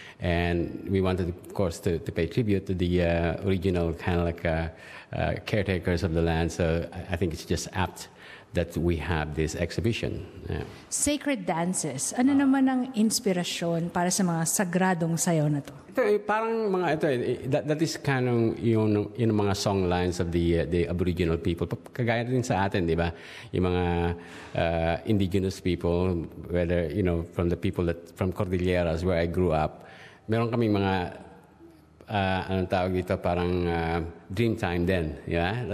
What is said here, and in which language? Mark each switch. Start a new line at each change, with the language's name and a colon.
English: And we wanted, of course, to pay tribute to the original kind of like caretakers of the land. So I think it's just apt that we have this exhibition. Yeah. Sacred dances.
Filipino: Ano naman ang inspirasyon para sa mga sagradong sayo na to?
English: That is kind of
Filipino: yung mga
English: song lines of the Aboriginal people.
Filipino: Kagaya din sa atin, di ba? Yung mga
English: indigenous people, whether, you know, from the people that from Cordilleras where I grew up.
Filipino: Meron kaming mga anong tawag dito, parang dreamtime din, yeah?